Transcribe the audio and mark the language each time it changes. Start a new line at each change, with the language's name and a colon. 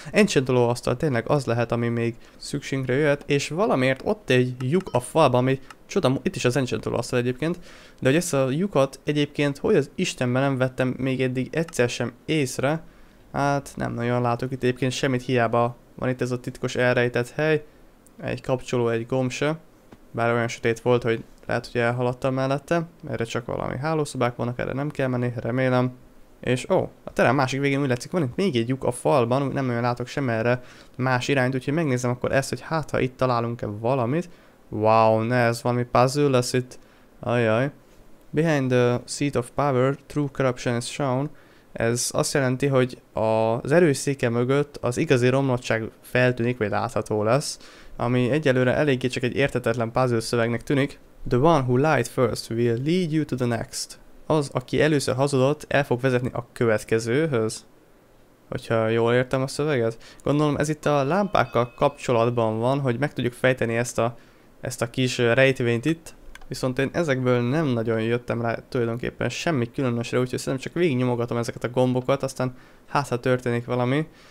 Hungarian: Enchantoló asztal tényleg az lehet, ami még szükségre jöhet, és valamiért ott egy lyuk a falban, ami csoda, itt is az enchantoló asztal egyébként, de hogy ezt a lyukat egyébként, hogy az Istenben nem vettem még eddig egyszer sem észre, hát nem nagyon látok itt egyébként semmit, hiába van itt ez a titkos elrejtett hely, egy kapcsoló, egy gomb se, bár olyan sötét volt, hogy lehet, hogy elhaladtam mellette, erre csak valami hálószobák vannak, erre nem kell menni, remélem. És ó, a terem másik végén úgy látszik, van itt még egy lyuk a falban, nem olyan látok sem erre más irányt, úgyhogy megnézem akkor ezt, hogy hát ha itt találunk-e valamit. Wow, ne, ez valami puzzle lesz itt. Ajaj.
English: Behind the seat of power, true corruption is shown.
Hungarian: Ez azt jelenti, hogy az erőszéke mögött az igazi romlottság feltűnik, vagy látható lesz, ami egyelőre eléggé csak egy értetetlen puzzle szövegnek tűnik.
English: The one who lied first will lead you to the next.
Hungarian: Az, aki először hazudott, el fog vezetni a következőhöz. Hogyha jól értem a szöveget. Gondolom ez itt a lámpákkal kapcsolatban van, hogy meg tudjuk fejteni ezt a kis rejtvényt itt. Viszont én ezekből nem nagyon jöttem rá tulajdonképpen semmi különösre, úgyhogy szerintem csak végig nyomogatom ezeket a gombokat, aztán hát ha történik valami.